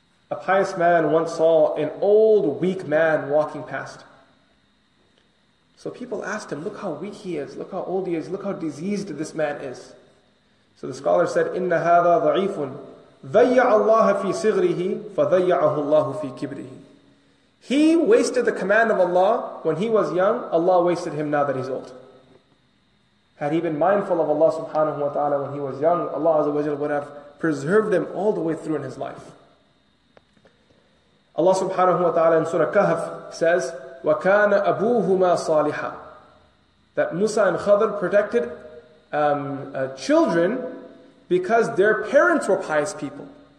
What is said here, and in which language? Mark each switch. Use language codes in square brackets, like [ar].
[en] A pious man once saw an old, weak man walking past. So people asked him, look how weak he is, look how old he is, look how diseased this man is. So the scholar said, [ar] إِنَّ هَذَا ضَعِيفٌ ضَيَّعَ اللَّهَ فِي صِغْرِهِ فَضَيَّعَهُ اللَّهُ فِي كِبْرِهِ. [en] He wasted the command of Allah when he was young, Allah wasted him now that he's old. Had he been mindful of Allah subhanahu wa ta'ala when he was young, Allah azza wa jalla would have preserved him all the way through in his life. Allah subhanahu wa ta'ala in Surah Kahf says, [ar] وَكَانَ أَبُوهُمَا صَالِحًا, [en] that Musa and Khadr protected children because their parents were pious people.